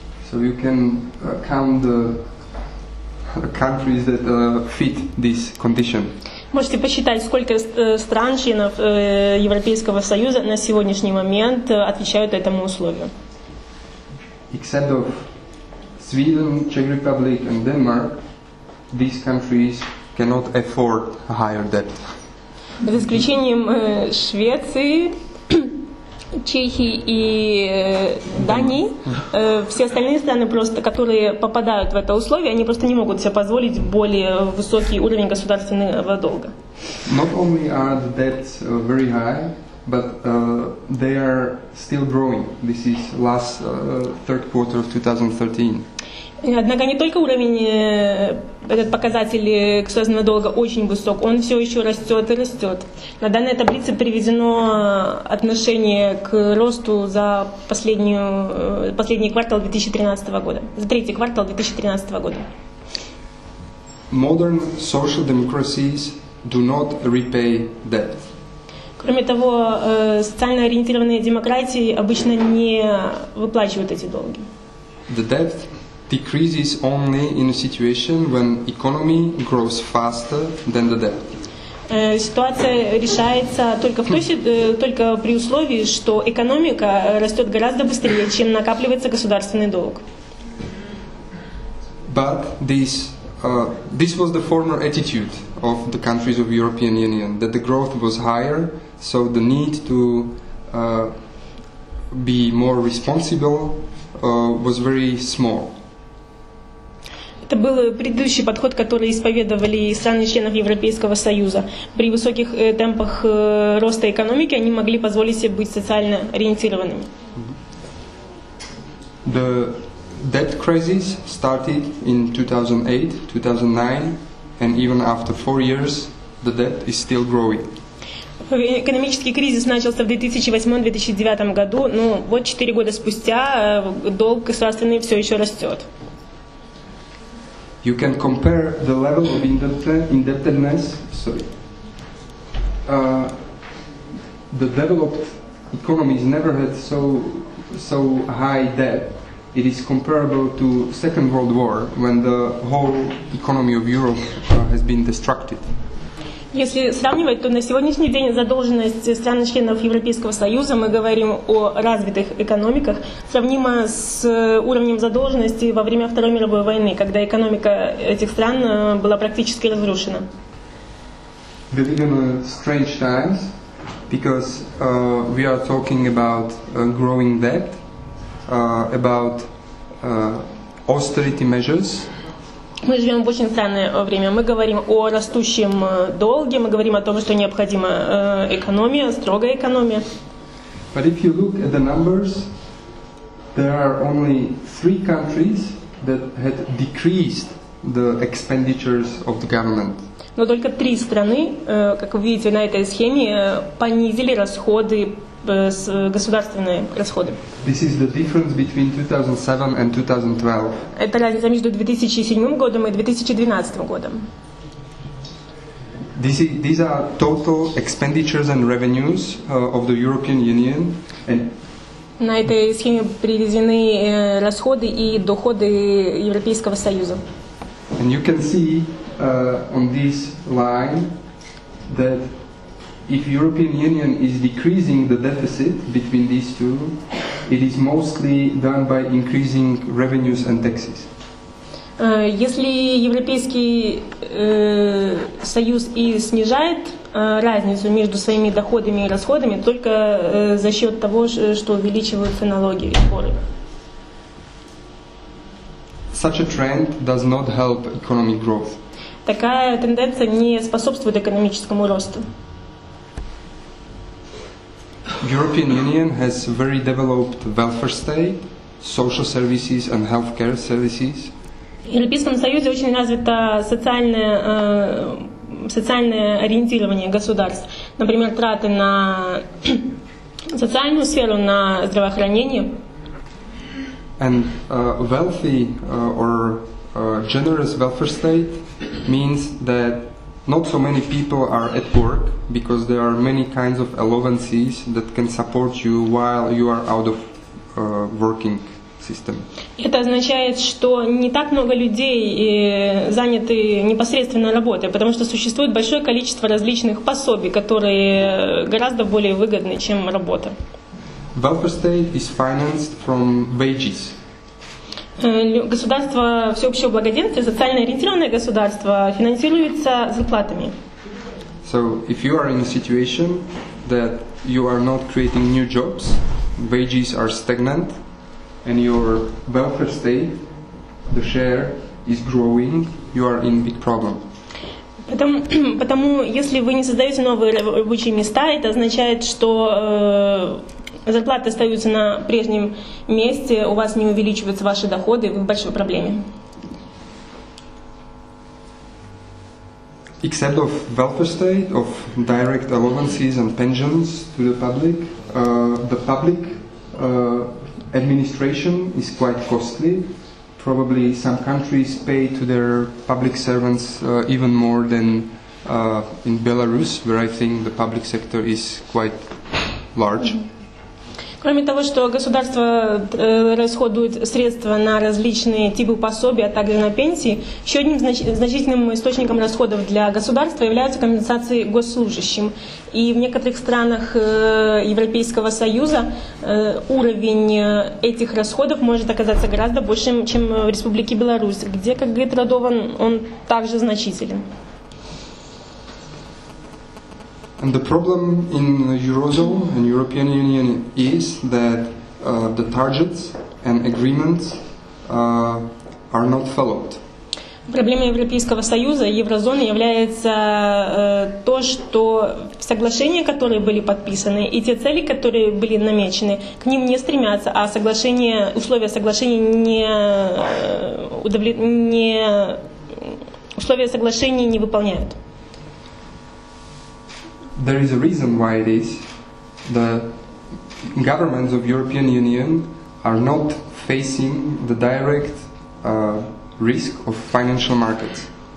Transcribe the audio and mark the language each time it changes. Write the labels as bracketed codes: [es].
[en] So you can count the countries that fit this condition. [ru] Можете посчитать, сколько стран членов Европейского Союза на сегодняшний момент отвечают этому условию. [en] Except of Sweden, Czech Republic and Denmark, these countries cannot afford a higher debt. [ru] За исключением Швеции, Чехии и Дании. Все остальные страны, просто, которые попадают в это условие, они просто не могут себе позволить более высокий уровень государственного долга. [en] Not only are the debts very high, but they are still growing. This is last third quarter of 2013. [ru] Однако не только уровень этот показатель государственного долга очень высок, он все еще растет и растет. На данной таблице приведено отношение к росту за последний квартал 2013 года, за третий квартал 2013 года. [en] Modern social democracies do not repay debt. [ru] Кроме того, социально ориентированные демократии обычно не выплачивают эти долги. [en] The debt decreases only in a situation when economy grows faster than the debt. [ru] Ситуация решается только в той, только при условии, что экономика растет гораздо быстрее, чем накапливается государственный долг. [en] But this this was the former attitude of the countries of European Union, that the growth was higher, so the need to be more responsible was very small. [ru] Это был предыдущий подход, который исповедовали страны-члены Европейского Союза. При высоких темпах роста экономики они могли позволить себе быть социально ориентированными. [en] The debt crisis started in 2008-2009, and even after 4 years, the debt is still growing. [ru] Экономический кризис начался в 2008-2009 году, но вот 4 года спустя долг государственный все еще растет. [en] You can compare the level of indebtedness, the developed economies never had so high debt. It is comparable to Second World War, when the whole economy of Europe has been destructed. [ru] Если сравнивать, то на сегодняшний день задолженность стран-членов Европейского Союза, мы говорим о развитых экономиках, сравнима с уровнем задолженности во время Второй мировой войны, когда экономика этих стран была практически разрушена. [en] We live in strange times, because we are talking about growing debt, about austerity measures. [ru] Мы живем в очень странное время. Мы говорим о растущем долге, мы говорим о том, что необходима экономия, строгая экономия. [en] But if you look at the numbers, there are only 3 countries that had decreased the expenditures of the government. [ru] Но только 3 страны, как вы видите на этой схеме, понизили расходы, государственные расходы. [en] This is the difference between 2007 and 2012. [ru] Это разница между 2007 годом и 2012 годом. [en] These are total expenditures and revenues of the European Union. And [ru] на этой схеме приведены расходы и доходы Европейского Союза. [en] And you can see on this line that if European Union is decreasing the deficit between these two, it is mostly done by increasing revenues and taxes. [ru] Если Европейский Союз и снижает разницу между своими доходами и расходами, только за счет того, что увеличиваются налоги и сборы. [en] Such a trend does not help economic growth. [ru] Такая тенденция не способствует экономическому росту. [en] European Union has very developed welfare state, social services and healthcare services. [ru] В Европейском Союзе очень развито социальное ориентирование государств. Например, траты на социальную сферу, на здравоохранение. [en] And wealthy or generous welfare state means that not so many people are at work, because there are many kinds of allowances that can support you while you are out of working system. [ru] Это означает, что не так много людей заняты непосредственно работой, потому что существует большое количество различных пособий, которые гораздо более выгодны, чем работа. [en] Welfare state is financed from wages. [ru] Государство всеобщего благоденствия, социально ориентированное государство, финансируется зарплатами. [en] So, if you are in a situation that you are not creating new jobs, wages are stagnant, and your welfare state, the share, is growing, you are in big problem. [ru] Потому если вы не создаете новые рабочие места, это означает, что зарплаты остаются на прежнем месте, у вас не увеличиваются ваши доходы, вы в большой проблеме. [en] Except of welfare state, of direct allowances and pensions to the public administration is quite costly. Probably some countries pay to their public servants even more than in Belarus, where I think the public sector is quite large. [ru] Кроме того, что государство расходует средства на различные типы пособий, а также на пенсии, еще одним значительным источником расходов для государства являются компенсации госслужащим. И в некоторых странах Европейского Союза уровень этих расходов может оказаться гораздо большим, чем в Республике Беларусь, где, как говорит Радован, он также значителен. [en] And the problem in the Eurozone and European Union is that the targets and agreements are not followed. [ru] Проблема Европейского Союза и Еврозоны является то, что соглашения, которые были подписаны, и те цели, которые были намечены, к ним не стремятся, а соглашение, условия соглашения условия соглашения не выполняют. [en] There is a reason why it is. The governments of European Union are not facing the direct risk of financial markets.